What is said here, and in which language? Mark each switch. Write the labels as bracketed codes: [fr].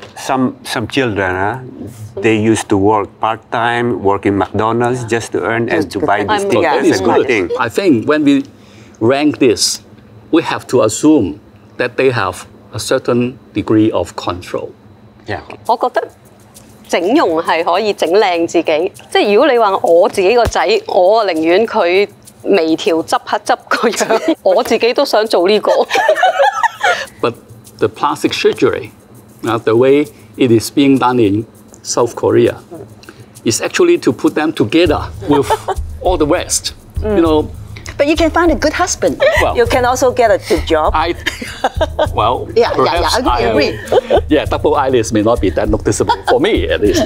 [en] Some children, they used to work part-time, work in McDonald's just to earn and to buy these things. That is a good thing. I think when we rank this, we have to assume that they have a certain degree of control. Yeah. [yue] 我覺得整容是可以整靚自己，即如果你話我自己個仔，我啊寧願佢微調執下執個樣，我自己都想做呢、這個。 [en] But the plastic surgery, the way it is being done in South Korea, is actually to put them together with all the rest. You know. But you can find a good husband. Well, you can also get a good job. Yeah, double eyelids may not be that noticeable for me, at least.